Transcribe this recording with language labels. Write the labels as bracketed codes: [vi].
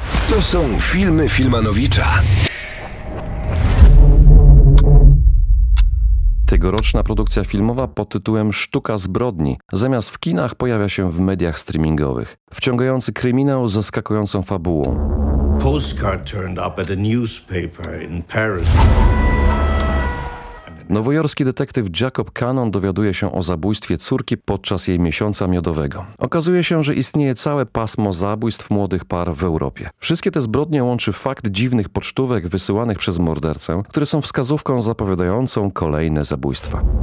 [pl] To są filmy Filmanowicza. Tegoroczna produkcja filmowa pod tytułem Sztuka zbrodni zamiast w kinach pojawia się w mediach streamingowych. Wciągający kryminał z zaskakującą fabułą. [en] Postcard turned up at a newspaper in Paris. [pl] Nowojorski detektyw Jacob Cannon dowiaduje się o zabójstwie córki podczas jej miesiąca miodowego. Okazuje się, że istnieje całe pasmo zabójstw młodych par w Europie. Wszystkie te zbrodnie łączy fakt dziwnych pocztówek wysyłanych przez mordercę, które są wskazówką zapowiadającą kolejne zabójstwa.